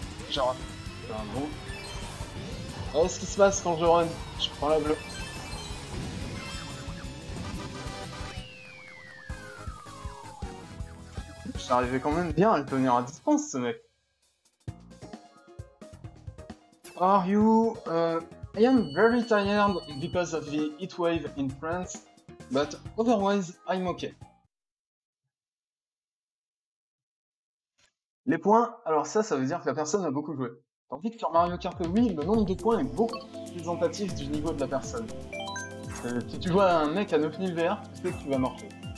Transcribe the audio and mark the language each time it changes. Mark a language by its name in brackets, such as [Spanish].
[French] J'ai raté. C'est un bon. Oh, ce qui se passe quand je run? Je prends la bleue. J'arrivais quand même bien à le tenir à distance, ce mec. [English] Are you... I am very tired because of the heat wave in France, but otherwise, I'm okay. [French] Les points, alors ça veut dire que la personne a beaucoup joué. Tandis que sur Mario Kart Wii, le nombre de points est beaucoup plus représentatif du niveau de la personne. Si tu vois un mec à 9000 VR, tu sais que tu vas morfler.